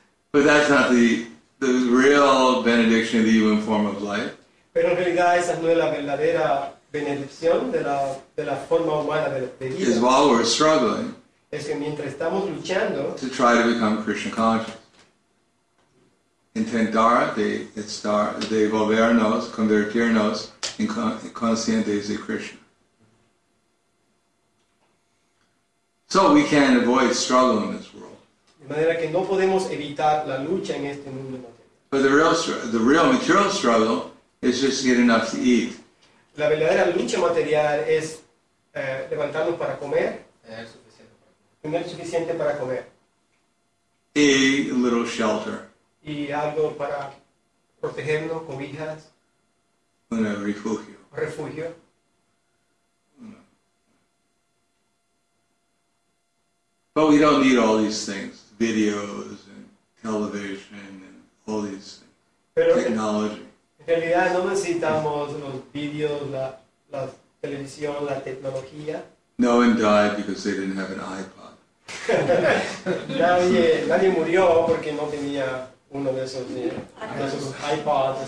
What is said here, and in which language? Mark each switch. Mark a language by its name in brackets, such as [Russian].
[English] But that's not the real benediction of the human form of life. [Spanish] Pero en realidad esa no es la verdadera benedicción de la forma humana de vida. [English] Is while we're struggling. [Spanish] Es que mientras estamos luchando. [English] To try to become Krishna conscious. [Spanish] Intentar de volvernos, convertirnos en conscientes de Krishna. [English] So we can't avoid struggle in this world. [Spanish] De manera que no podemos evitar la lucha en este mundo material. [English] But the real material struggle is just to get enough to eat. [Spanish] La verdadera lucha material es levantarnos para comer. Tener suficiente para comer. [English] A little shelter. [Spanish] Y algo para protegernos, cobijas. Un refugio. Refugio. [English] But we don't need all these things. Videos and television and all these things. [Spanish] Pero [English] technology. [Spanish] En realidad no necesitamos los videos, la televisión, la tecnología. [English] No one died because they didn't have an iPod. [Spanish] nadie murió porque no tenía uno de esos, iPods.